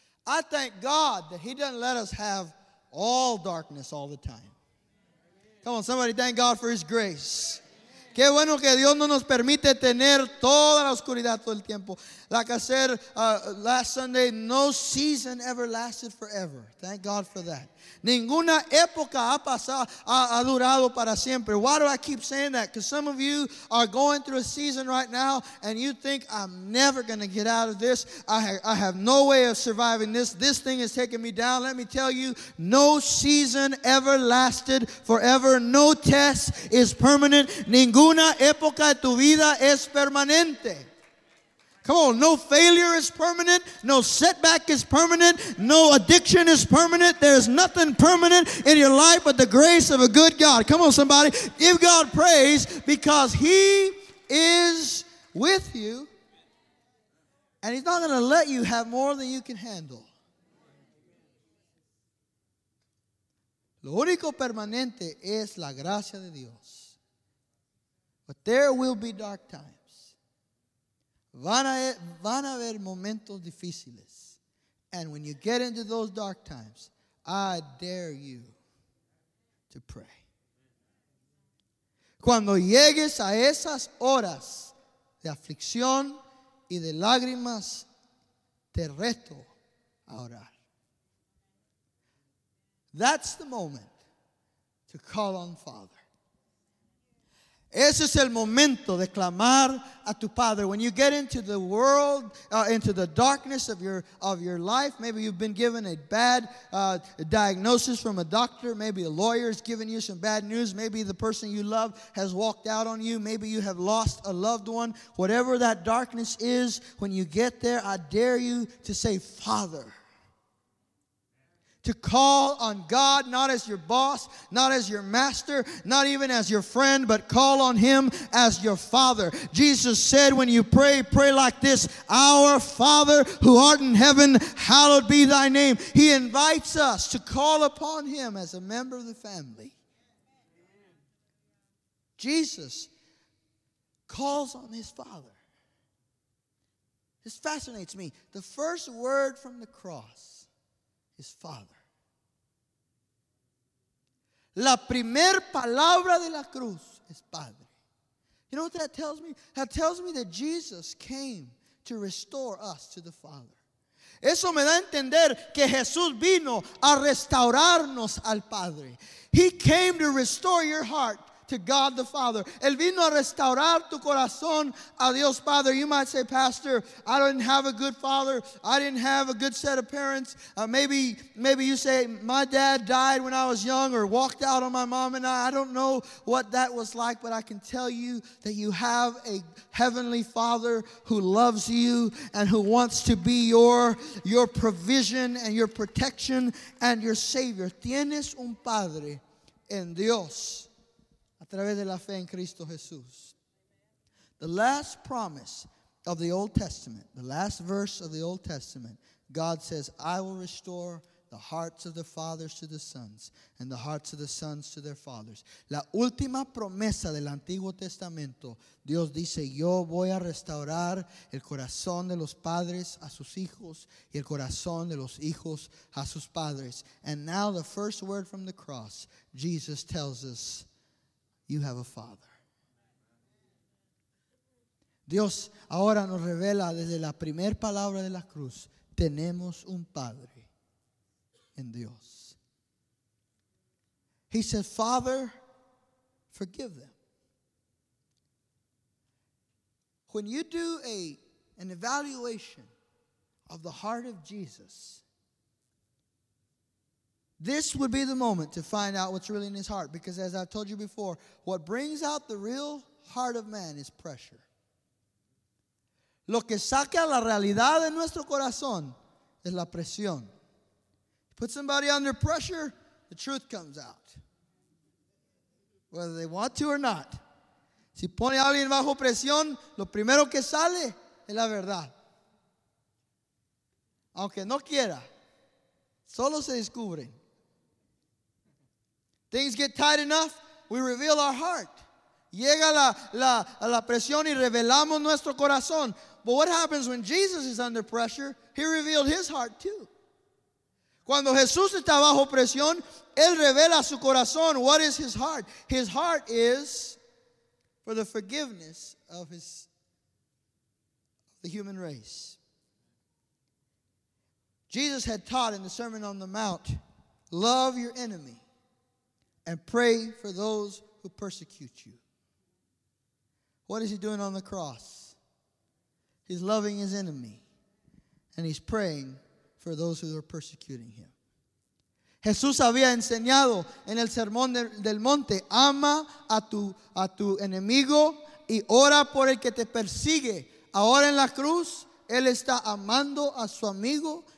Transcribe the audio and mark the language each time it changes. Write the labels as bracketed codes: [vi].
[en] I thank God that he doesn't let us have all darkness all the time. Come on, somebody thank God for his grace. [es] Qué bueno que Dios no nos permite tener toda la oscuridad todo el tiempo. [en] Like I said last Sunday, no season ever lasted forever. Thank God for that. [es] Ninguna época ha pasado, ha durado para siempre. [en] Why do I keep saying that? Because some of you are going through a season right now and you think, "I'm never going to get out of this. I have no way of surviving this. This thing is taking me down." Let me tell you, no season ever lasted forever. No test is permanent. [es] Ninguna época de tu vida es permanente. [en] Come on, no failure is permanent. No setback is permanent. No addiction is permanent. There's nothing permanent in your life but the grace of a good God. Come on, somebody. Give God praise because he is with you. And he's not going to let you have more than you can handle. [es] Lo único permanente es la gracia de Dios. [en] But there will be dark times. [es] Van a haber momentos difíciles. [en] And when you get into those dark times, I dare you to pray. [es] Cuando llegues a esas horas de aflicción y de lágrimas, te reto a orar. [en] That's the moment to call on Father. [es] Ese es el momento de clamar a tu Padre. [en] When you get into the world, into the darkness of your life, maybe you've been given a bad diagnosis from a doctor, maybe a lawyer has given you some bad news, maybe the person you love has walked out on you, maybe you have lost a loved one. Whatever that darkness is, when you get there, I dare you to say, Father. To call on God, not as your boss, not as your master, not even as your friend, but call on Him as your Father. Jesus said, when you pray, pray like this: Our Father who art in heaven, hallowed be thy name. He invites us to call upon Him as a member of the family. Jesus calls on His Father. This fascinates me. The first word from the cross is Father. [es] La primer palabra de la cruz es Padre. [en] You know what that tells me? That tells me that Jesus came to restore us to the Father. [es] Eso me da a entender que Jesús vino a restaurarnos al Padre. [en] He came to restore your heart to God the Father. [es] Él vino a restaurar tu corazón a Dios Padre. [en] You might say, Pastor, I didn't have a good father. I didn't have a good set of parents. Maybe you say, my dad died when I was young or walked out on my mom and I don't know what that was like, but I can tell you that you have a heavenly Father who loves you and who wants to be your provision and your protection and your Savior. [es] Tienes un Padre en Dios. A través de la fe en Cristo Jesús. [en] The last promise of the Old Testament, the last verse of the Old Testament, God says, I will restore the hearts of the fathers to the sons and the hearts of the sons to their fathers. [es] La última promesa del Antiguo Testamento, Dios dice, yo voy a restaurar el corazón de los padres a sus hijos y el corazón de los hijos a sus padres. [en] And now the first word from the cross, Jesus tells us, you have a father. [es] Dios ahora nos revela desde la primer palabra de la cruz, tenemos un padre en Dios. [en] He said, Father, forgive them. When you do an evaluation of the heart of Jesus, this would be the moment to find out what's really in his heart. Because as I've told you before, what brings out the real heart of man is pressure. [es] Lo que saca la realidad de nuestro corazón es la presión. [en] Put somebody under pressure, the truth comes out. Whether they want to or not. [es] Si pone a alguien bajo presión, lo primero que sale es la verdad. Aunque no quiera, solo se descubre. [en] Things get tight enough, we reveal our heart. [es] Llega la presión y revelamos nuestro corazón. [en] But what happens when Jesus is under pressure? He revealed his heart too. [es] Cuando Jesús está bajo presión, él revela su corazón. [en] What is his heart? His heart is for the forgiveness of the human race. Jesus had taught in the Sermon on the Mount, love your enemy. And pray for those who persecute you. What is he doing on the cross? He's loving his enemy. And he's praying for those who are persecuting him. [es] Jesús había enseñado en el sermón del monte. Ama a tu enemigo y ora por el que te persigue. Ahora en la cruz, él está amando a su amigo.